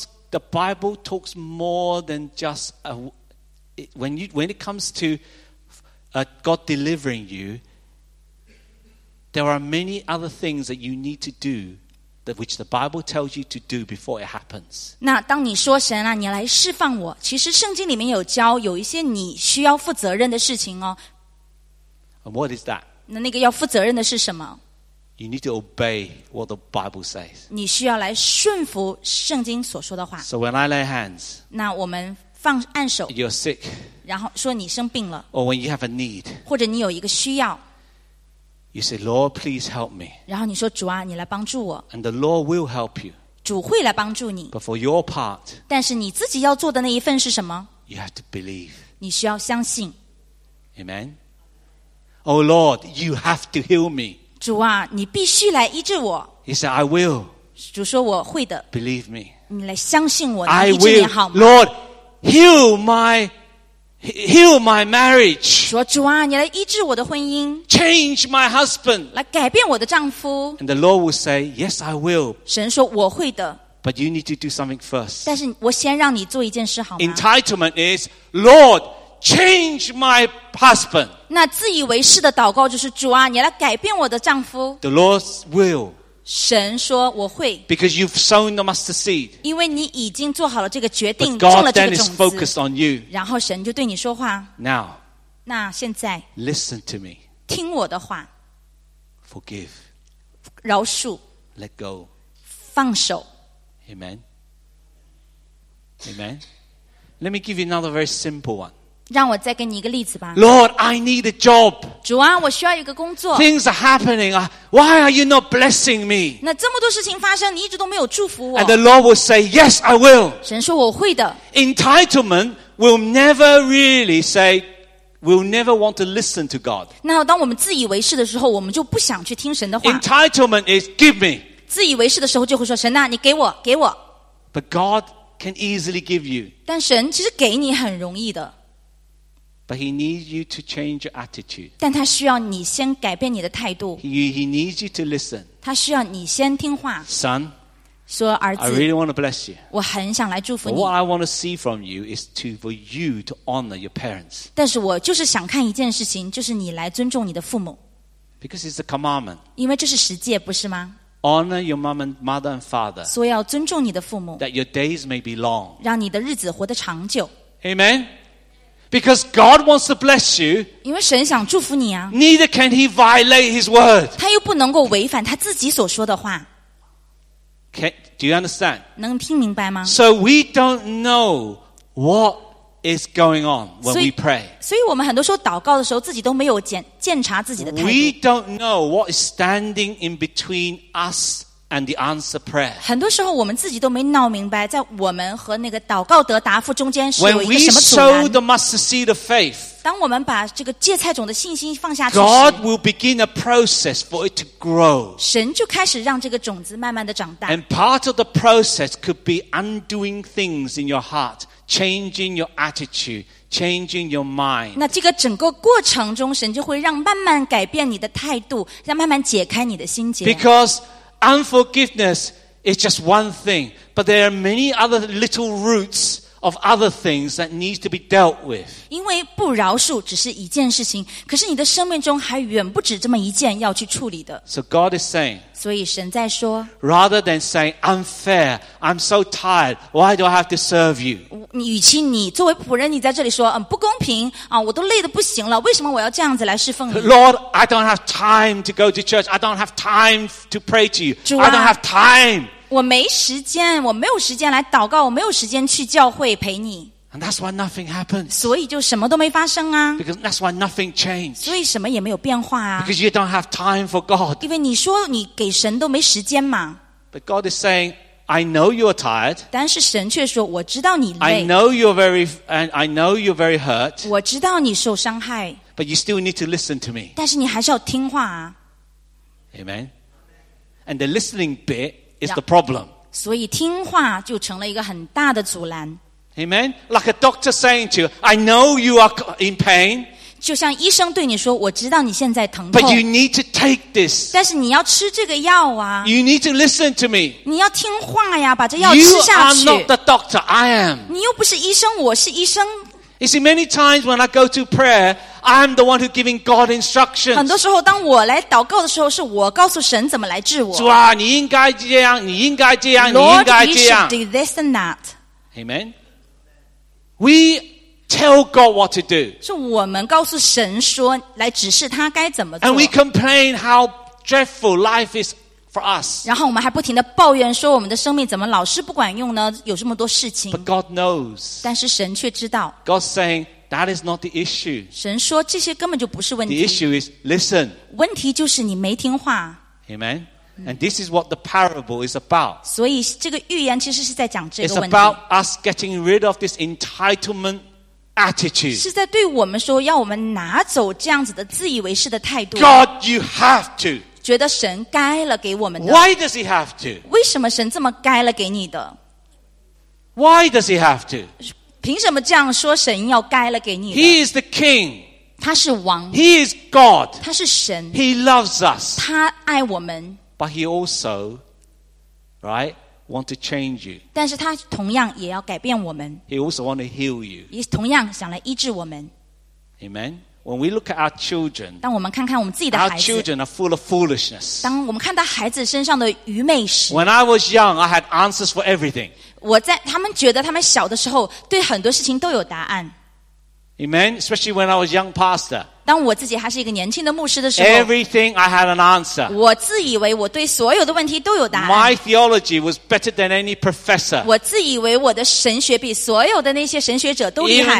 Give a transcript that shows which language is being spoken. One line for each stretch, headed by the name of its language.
English: The Bible talks more than just when it comes to God delivering you, there are many other things that you need to do that which the Bible tells you to do before it happens.
Chinese: 那当你说神啊，你来释放我，其实圣经里面有教有一些你需要负责任的事情哦。
English: And what is that?
Chinese: 那个要负责任的是什么？
English: You need to obey what the Bible says.
Chinese: 你需要来顺服圣经所说的话。
English: So when I lay hands,
Chinese: 那我们放按手。
English: You're sick.
Chinese: 然后说你生病了。
English: Or when you have a need,
Chinese: 或者你有一个需要。
English: You say, Lord, please help me.
Chinese: 然后你说主啊，你来帮助我。
English: And the Lord will help you.
Chinese: 主会来帮助你。
English: But for your part,
Chinese: 但是你自己要做的那一份是什么？
English: You have to believe.
Chinese: 你需要相信。
English: Amen. Oh Lord, you have to heal me.
Chinese: 主啊，你必须来医治我。
English: He said, "I will."
Chinese: 主说我会的。
English: Believe me.
Chinese: 你来相信我，医治你好吗
English: ？I will, Lord, heal my marriage.
Chinese: 说主啊，你来医治我的婚姻。
English: Change my husband.
Chinese: 来改变我的丈夫。
English: And the Lord will say, "Yes, I will."
Chinese: 神说我会的。
English: But you need to do something first.
Chinese: 但是我先让你做一件事好吗
English: ？Entitlement is, Lord. Change my husband.
Chinese: 那自以为是的祷告就是主啊，你来改变我的丈夫。
English: The Lord will.
Chinese: 神说我会。
English: Because you've sown the mustard seed.
Chinese: 因为你已经做好了这个决定，种了这个种子。
English: But God then is focused on you.
Chinese: 然后神就对你说话。
English: Now.
Chinese: 那现在。
English: Listen to me.
Chinese: 听我的话。
English: Forgive.
Chinese: 饶恕。
English: Let go.
Chinese: 放手。
English: Amen. Amen. Let me give you another very simple one.
Chinese: 让我再给你一个例子吧。
English: Lord, I need a job.
Chinese: 主啊，我需要一个工作。
English: Things are happening. Why are you not blessing me?
Chinese: 那这么多事情发生，你一直都没有祝福我。
English: And the Lord will say, Yes, I will.
Chinese: 神说我会的。
English: Entitlement will never really say, will never want to listen to God.
Chinese: 那当我们自以为是的时候，我们就不想去听神的话。
English: Entitlement is give me.
Chinese: 自以为是的时候就会说，神啊，你给我，给我。
English: But God can easily give you.
Chinese: 但神其实给你很容易的。
English: But he needs you to change your attitude.
Chinese: 但他需要你先改变你的态度。
English: He needs you to listen.
Chinese: 他需要你先听话。
English: Son,
Chinese: 说儿子
English: I really want to bless you.
Chinese: 我很想来祝福你。
English: What I want to see from you is for you to honor your parents.
Chinese: 但是我就是想看一件事情，就是你来尊重你的父母。
English: Because it's a commandment.
Chinese: 因为这是十诫，不是吗？
English: Honor your mom and mother and father.
Chinese: 所以要尊重你的父母。
English: That your days may be long.
Chinese: 让你的日子活得长久。
English: Amen. Because God wants to bless you,
Chinese: 因为神想祝福你啊。
English: Neither can he violate his word.
Chinese: 他又不能够违反他自己所说的话。
English: Do you understand?
Chinese: 能听明白吗？
English: So we don't know what is going on when we pray.
Chinese: 所以我们很多时候祷告的时候，自己都没有检查自己的态度。
English: We don't know what is standing in between us and the answer prayer.
Chinese: 很多时候我们自己都没闹明白，在我们和那个祷告得答复中间是有一个什么阻拦。
English: When we sow the mustard seed of faith,
Chinese: 当我们把这个芥菜种的信心放下去时，
English: God will begin a process for it to grow.
Chinese: 神就开始让这个种子慢慢的长大。
English: And part of the process could be undoing things in your heart, changing your attitude, changing your mind.
Chinese: 那这个整个过程中，神就会让慢慢改变你的态度，让慢慢解开你的心结。
English: Because Unforgiveness is just one thing, but there are many other little roots of other things that need to be dealt with.
Chinese: 因为不饶恕只是一件事情，可是你的生命中还远不止这么一件要去处理的。
English: So God is saying,
Chinese: 所以神在说,
English: rather than saying, unfair, I'm so tired, why do I have to serve you?
Chinese: 与其你作为仆人你在这里说不公平我都累得不行了，为什么我要这样子来侍奉你？
English: Lord, I don't have time to go to church. I don't have time to pray to you.
Chinese: 主啊,
English: I don't have time.
Chinese: 我没时间，我没有时间来祷告，我没有时间去教会陪你。
English: And that's why nothing happens.
Chinese: 所以就什么都没发生啊。
English: Because that's why nothing changed.
Chinese: 所以什么也没有变化啊。
English: Because you don't have time for God.
Chinese: 因为你说你给神都没时间嘛。
English: But God is saying, I know you are tired.
Chinese: 但是神却说，我知道你累。
English: I know you're very hurt.
Chinese: 我知道你受伤害。
English: But you still need to listen to me.
Chinese: 但是你还是要听话啊。
English: Amen. And the listening bit. Is the problem.
Chinese: 所以听话就成了一个很大的阻拦。
English: Amen. Like a doctor saying to you, I know you are in pain.
Chinese: 就像医生对你说，我知道你现在疼痛。
English: But you need to take this.
Chinese: 但是你要吃这个药啊。
English: You need to listen to me.
Chinese: 你要听话呀，把这药吃下去。
English: You are not the doctor, I am.
Chinese: 你又不是医生，我是医生。
English: You see, many times when I go to prayer, I'm the one who's giving God instructions.
Chinese: 很多时候，当我来祷告的时候，是我告诉神怎么来治我。主啊，你应该这样，你应该这样，你应该这样。
English: Lord, you should do this and that. Amen. We tell God what to do.
Chinese: 是我们告诉神说，来指示他该怎么做。
English: And we complain how dreadful life is.
Chinese: 然后我们还不停地抱怨说我们的生命怎么老是不管用呢？有这么多事情。
English: But God knows.
Chinese: 但是神却知道。
English: God saying that is not the issue.
Chinese: 神说这些根本就不是问题。
English: The issue is listen.
Chinese: 问题就是你没听话。
English: Amen. And this is what the parable is about.
Chinese: 所以这个预言其实是在讲这个问题。
English: It's about us getting rid of this entitlement. Attitude.
Chinese: 是在对我们说要我们拿走这样子的自以为是的态度。
English: God, you have to.
Chinese: 觉得神该了给我们的。
English: Why does he have to?
Chinese: 为什么神这么该了给你的？
English: Why does he have to?
Chinese: 凭什么这样说神要该了给你的？
English: He is the king.
Chinese: 他是王。
English: He is God.
Chinese: 他是神。
English: He loves us.
Chinese: 他爱我们。
English: But he also, right? Want to change you.
Chinese: 但是他同样也要改变我们。
English: He also want to heal you.
Chinese: 也同样想来医治我们。
English: Amen. When we look at our children,
Chinese: 当我们看看我们自己的孩子，
English: our children are full of foolishness.
Chinese: 当我们看到孩子身上的愚昧时，
English: When I was young, I had answers for everything.
Chinese: 我在他们觉得他们小的时候，对很多事情都有答案。
English: Amen. Especially when I was a young pastor.
Chinese: 当我自己还是一个年轻的牧师的时候
English: ，Everything I had an answer.
Chinese: 我自以为我对所有的问题都有答案。
English: My theology was better than any professor.
Chinese: 我自以为我的神学比所有的那些神学者都厉害。